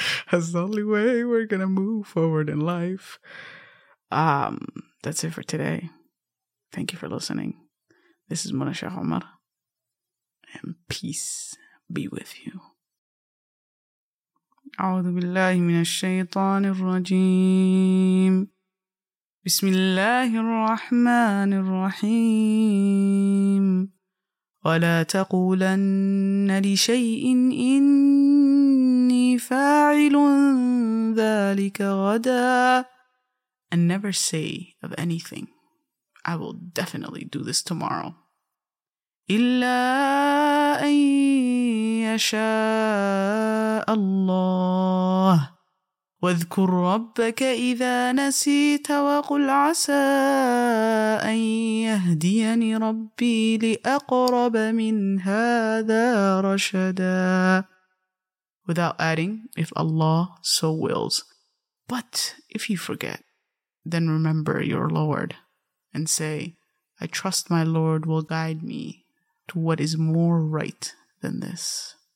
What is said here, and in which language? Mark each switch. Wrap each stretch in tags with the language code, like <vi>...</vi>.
<en>That's the only way we're going to move forward in life. That's it for today. Thank you for listening. This is Munisha Homer, and peace be with you.</en> <ar>أعوذ بالله من الشيطان الرجيم بسم الله الرحمن الرحيم ولا تقولن لشيء إني فاعل ذلك غدا.</ar> <en>And never say of anything, I will definitely do this tomorrow.</en> <ar>إلا أن يشاء الله واذكر ربك إذا نسيت وقل عسى أن يهديني ربي لأقرب من هذا رشدا.</ar> <en>Without adding, if Allah so wills. But if you forget, then remember your Lord and say, I trust my Lord will guide me to what is more right than this.</en>